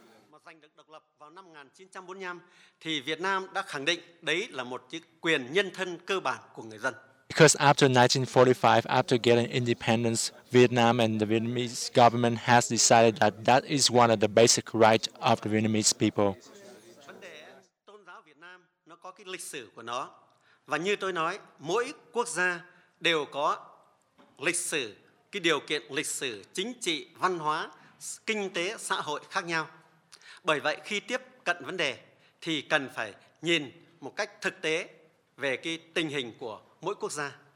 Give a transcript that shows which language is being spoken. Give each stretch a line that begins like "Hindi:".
Vietnamese: Mà giành được độc lập vào năm 1945 thì Việt Nam đã khẳng định đấy là một cái quyền nhân thân cơ bản của người dân.
English: Because after 1945, after getting independence, Vietnam and the Vietnamese government has decided that that is one of the basic rights of the Vietnamese people.
Vietnamese: Vấn đề tôn giáo Việt Nam nó có cái lịch sử của nó, và như tôi nói, mỗi quốc gia đều có lịch sử, cái điều kiện lịch sử, chính trị, văn hóa, kinh tế, xã hội khác nhau. Bởi vậy khi tiếp cận vấn đề thì cần phải nhìn một cách thực tế về cái tình hình của mỗi quốc gia.